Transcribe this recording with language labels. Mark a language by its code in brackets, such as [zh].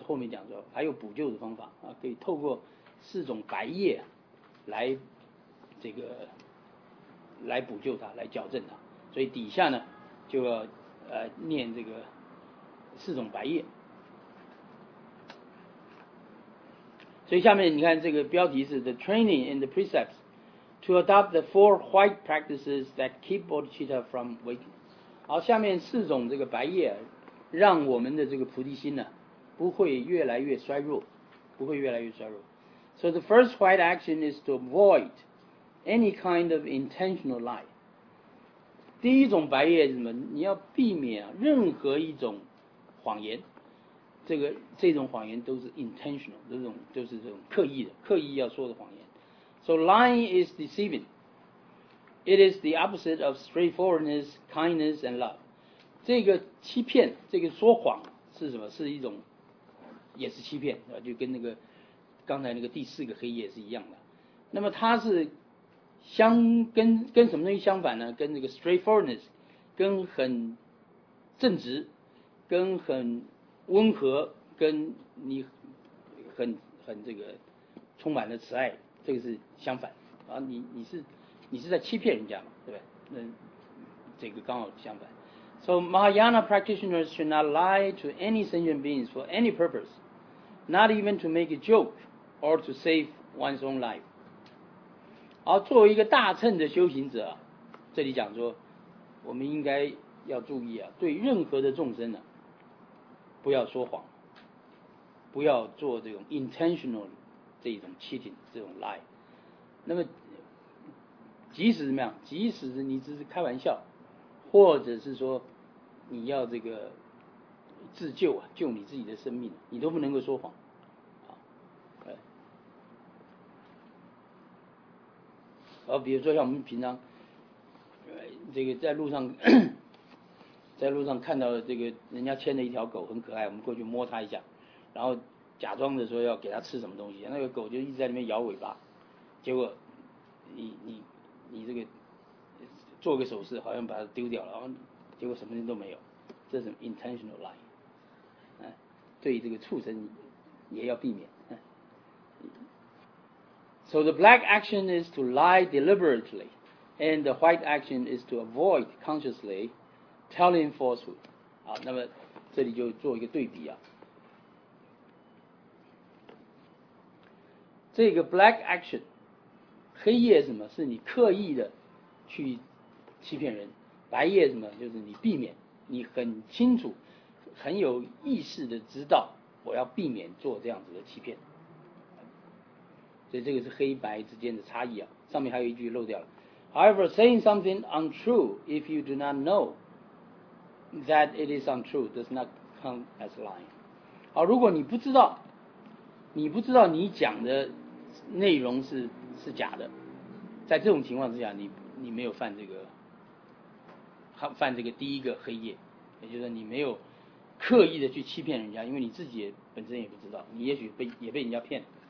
[zh] 后面讲说还有补救的方法啊，可以透过四种白叶来这个来补救它，来矫正它。所以底下呢就要念这个四种白叶。所以下面你看这个标题是 [en] The training and the precepts to adopt the four white practices that keep bodhicitta from waking. [zh] 好，下面四种这个白叶让我们的这个菩提心呢不会越来越衰弱，不会越来越衰弱。 [en] So the first white action is to avoid any kind of intentional lie. [zh] 第一种白叶是什么？你要避免任何一种谎言。这种谎言都是 intentional, 都是这种刻意要说的谎言。 [en] So lying is deceiving. It is the opposite of straightforwardness, kindness, and love. [zh] 这个欺骗，这个说谎是什么？是一种，也是欺骗，就跟那个刚才那个第四个黑夜是一样的。那么它是跟什么东西相反呢？跟那个 straightforwardness, 跟很正直，跟很温和，跟你很这个充满了慈爱，这个是相反啊。你是在欺骗人家嘛，对不对？那这个刚好相反。 [en] So Mahayana practitioners should not lie to any sentient beings for any purpose, not even to make a joke or to save one's own life. [zh] 好，作为一个大乘的修行者，这里讲说，我们应该要注意啊，对任何的众生呢、啊。不要说谎，不要做这种 intentional 这种 cheating 这种 lie。那么即使怎么样，即使你只是开玩笑，或者是说你要这个自救啊，救你自己的生命，你都不能够说谎。好，比如说像我们平常这个在路上看到这个人家牵着一条狗很可爱，我们过去摸它一下，然后假装的说要给它吃什么东西，那个狗就一直在里面摇尾巴，结果你这个做个手势好像把它丢掉了，然后结果什么人都没有，这是 intentional lie、对这个畜生也要避免。 [en] So the black action is to lie deliberately and the white action is to avoid consciouslyTelling falsehood. [zh] 好，那么这里就做一个对比啊。这个 black action, 黑夜什么？是你刻意的去欺骗人。白夜什么？就是你避免，你很清楚，很有意识的知道，我要避免做这样子的欺骗。所以这个是黑白之间的差异啊。上面还有一句漏掉了。 [en] However, saying something untrue if you do not know. That it is untrue does not count as lying. [zh] 好，如果你不知道你讲的内容是假的，在这种情况之下，你没有犯这个第一个黑夜，也就是你没有刻意的去欺骗人家，因为你自己本身也不知道，你也许也被人家骗。